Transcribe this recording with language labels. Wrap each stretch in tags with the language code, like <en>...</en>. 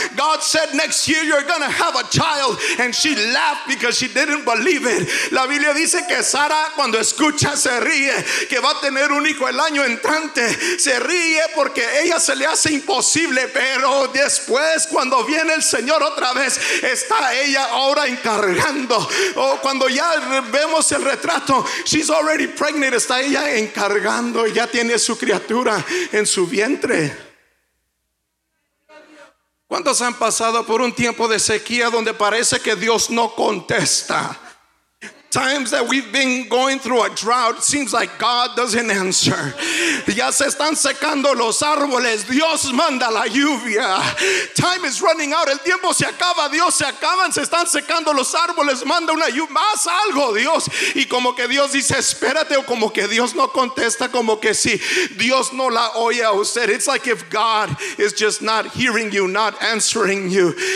<en>God said, next year you're gonna have a child, and she laughed because she didn't believe it.</en> <es>La Biblia dice que Sara cuando escucha se ríe que va a tener un hijo el año entrante, se ríe porque ella se le hace imposible, pero después cuando viene el Señor otra vez, está ella ahora encargando. Oh, cuando ya vemos el retrato,</es> <en>she's already pregnant,</en> <es>está ella encargando, ya tiene su criatura en su vientre. ¿Cuántos han pasado por un tiempo de sequía donde parece que Dios no contesta?</es> <en>Times that we've been going through a drought, seems like God doesn't answer.</en> <es>Ya se están secando los árboles, Dios manda la lluvia.</es> <en>Time is running out,</en> <es>el tiempo se acaba, Dios se acaba, se están secando los árboles, manda una lluvia, más algo, Dios. Y como que Dios dice, espérate, o como que Dios no contesta, como que sí, Dios no la oye a usted.</es> <en>It's like if God is just not hearing you, not answering you.</en>